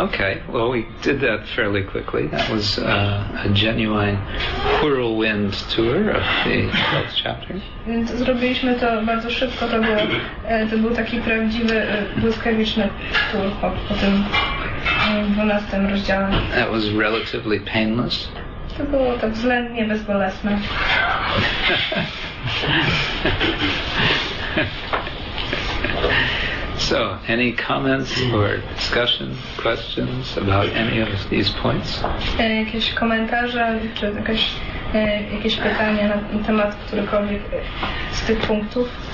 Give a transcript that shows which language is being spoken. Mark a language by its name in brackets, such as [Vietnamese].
[English] Okay, well, we did that fairly quickly. That was a genuine whirlwind tour of the 12th chapter. [Polish] Więc zrobiliśmy to bardzo szybko. To był taki prawdziwy, błyskawiczny tour po tym 12 rozdziale. [English] That was relatively painless. [Polish] To było tak względnie bezbolesne. [English] So, any comments or discussion, questions about any of these points? [Polish] Jakieś komentarze, czy jakieś pytania na temat którykolwiek z tych punktów?